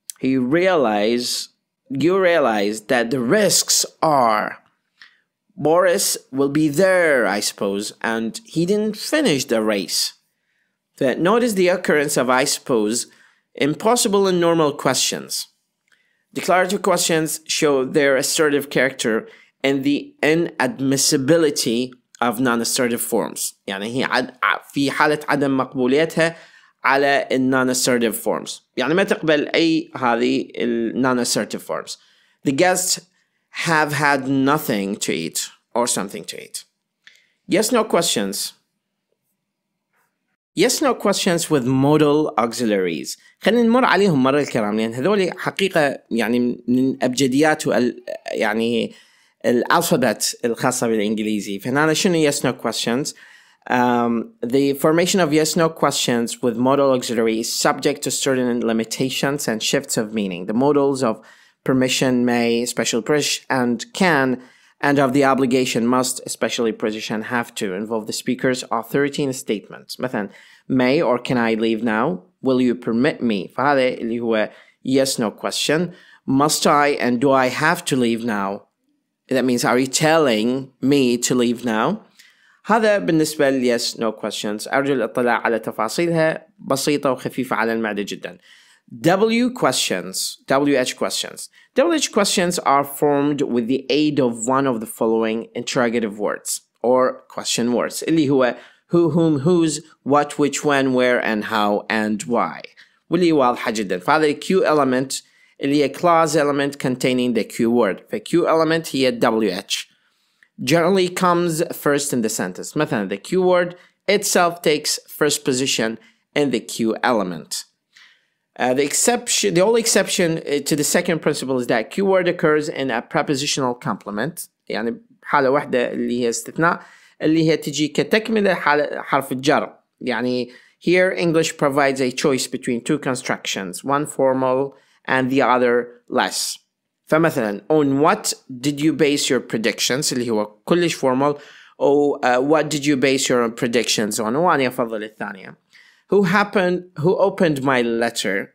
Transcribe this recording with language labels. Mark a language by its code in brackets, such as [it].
[en] You realize that the risks are Boris will be there, I suppose, and he didn't finish the race. That notice the occurrence of I suppose impossible in normal questions. Declarative questions show their assertive character and the inadmissibility of non-assertive forms. [ar] يعني هي في حالة عدم مقبوليتها على non-assertive forms. يعني ما تقبل أي هذه non-assertive forms. [en] The guests have had nothing to eat or something to eat. Yes-no questions. Yes-no questions with modal auxiliaries. [ar] خلينا نمر عليهم مرة الكرام لأن هذول حقيقة يعني من أبجديات يعني الألفابت الخاصة بالإنجليزي. فهنا شنو [en] yes-no questions؟ The formation of yes-no questions with modal auxiliary is subject to certain limitations and shifts of meaning. The modals of permission, may, special push, and can, and of the obligation, must, especially position, and have to, involve the speaker's authority in statements. [ar] مثلا, [en] may or can I leave now? Will you permit me? [ar] فهذا اللي هو [en] yes-no question. Must I and do I have to leave now? That means, are you telling me to leave now? [ar] هذا بالنسبة لـ yes, no questions. أرجو الاطلاع على تفاصيلها بسيطة وخفيفة على المعدة جدا. [en] W questions, WH questions. WH questions are formed with the aid of one of the following interrogative words or question words. [ar] اللي هو [en] who, whom, whose, what, which, when, where, and how, and why. [ar] واللي واضحة جدا. فهذا [en] Q element [ar] اللي هي [en] clause element containing the Q word. فQ element [ar] هي [en] WH. Generally comes first in the sentence. [ar] مثلا, [en] the Q word itself takes first position in the Q element. The only exception to the second principle is that Q word occurs in a prepositional complement. [ar] يعني حالة واحدة اللي هي استثناء اللي هي تجي كتكملة حرف الجر. يعني [en] here English provides a choice between two constructions, one formal and the other less. [ar] فمثلا, [en] on what did you base your predictions? [ar] اللي هو كلش [en] formal. What did you base your predictions on? [ar] وانا افضل الثانية. [en] Who opened my letter?